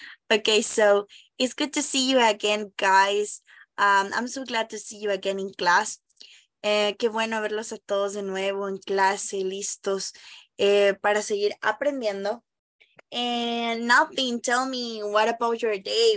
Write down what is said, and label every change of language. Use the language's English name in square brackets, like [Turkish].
[English] Okay, so it's good to see you again, guys. I'm so glad to see you again in class. [Spanish] Qué bueno verlos a todos de nuevo en clase, listos para seguir aprendiendo. [English] And nothing, tell me, what about your day?